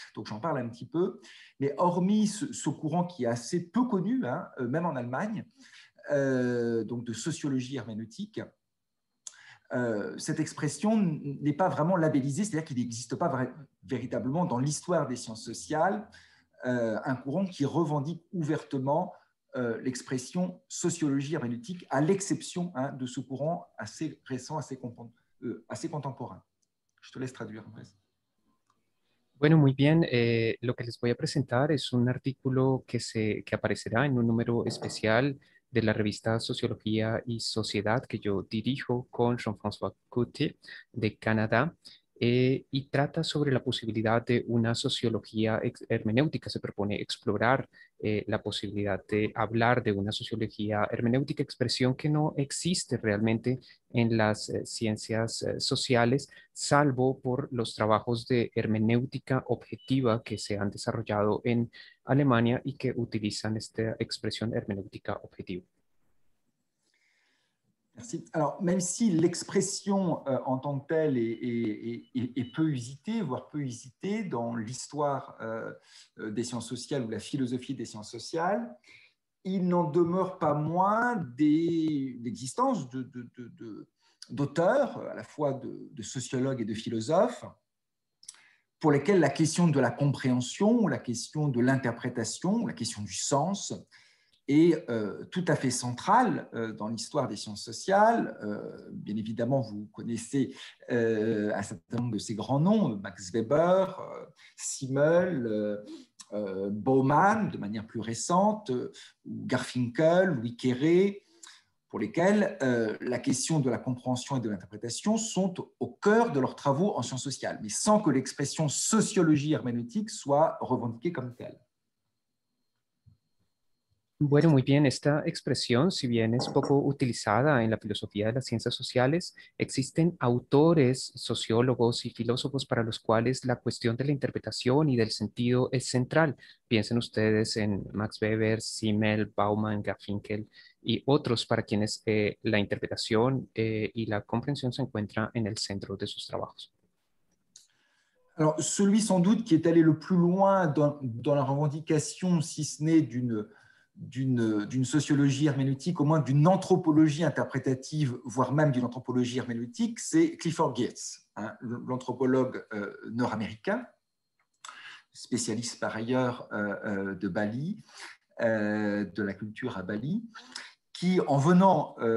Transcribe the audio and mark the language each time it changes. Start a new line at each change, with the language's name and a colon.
French: Donc j'en parle un petit peu, mais hormis ce courant qui est assez peu connu, hein, même en Allemagne, donc de sociologie herméneutique, cette expression n'est pas vraiment labellisée, c'est-à-dire qu'il n'existe pas véritablement dans l'histoire des sciences sociales un courant qui revendique ouvertement l'expression sociologie herméneutique, à l'exception, hein, de ce courant assez récent, assez contemporain. Je te laisse traduire.
Spanish: Bueno, muy bien. Lo que les voy a presentar es un artículo que aparecerá en un número especial de la revista Sociología y Sociedad que yo dirijo con Jean-François Couty de Canadá, y trata sobre la posibilidad de una sociología hermenéutica. Se propone explorar la posibilidad de hablar de una sociología hermenéutica, expresión que no existe realmente en las ciencias sociales, salvo por los trabajos de hermenéutica objetiva que se han desarrollado en Alemania y que utilizan esta expresión hermenéutica objetiva.
French: Merci. Alors, même si l'expression en tant que telle est peu usitée, voire peu usitée dans l'histoire des sciences sociales ou la philosophie des sciences sociales, il n'en demeure pas moins l'existence d'auteurs, à la fois de sociologues et de philosophes, pour lesquels la question de la compréhension, ou la question de l'interprétation, ou la question du sens est tout à fait centrale dans l'histoire des sciences sociales. Bien évidemment, vous connaissez un certain nombre de ces grands noms, Max Weber, Simmel, Baumann, de manière plus récente, ou Garfinkel, Louis Quéré, pour lesquels la question de la compréhension et de l'interprétation sont au cœur de leurs travaux en sciences sociales, mais sans que l'expression sociologie herméneutique soit revendiquée comme telle.
Spanish: Bueno, muy bien. Esta expresión, si bien es poco utilizada en la filosofía de las ciencias sociales, existen autores, sociólogos y filósofos para los cuales la cuestión de la interpretación y del sentido es central. Piensen ustedes en Max Weber, Simmel, Bauman, Garfinkel y otros para quienes la interpretación y la comprensión se encuentra en el centro de sus trabajos.
French: Alors, celui sans doute qui est allé le plus loin dans la revendication, si ce n'est d'une sociologie herméneutique, au moins d'une anthropologie interprétative, voire même d'une anthropologie herméneutique, c'est Clifford Geertz, hein, l'anthropologue nord-américain, spécialiste par ailleurs de Bali, de la culture à Bali, qui, en venant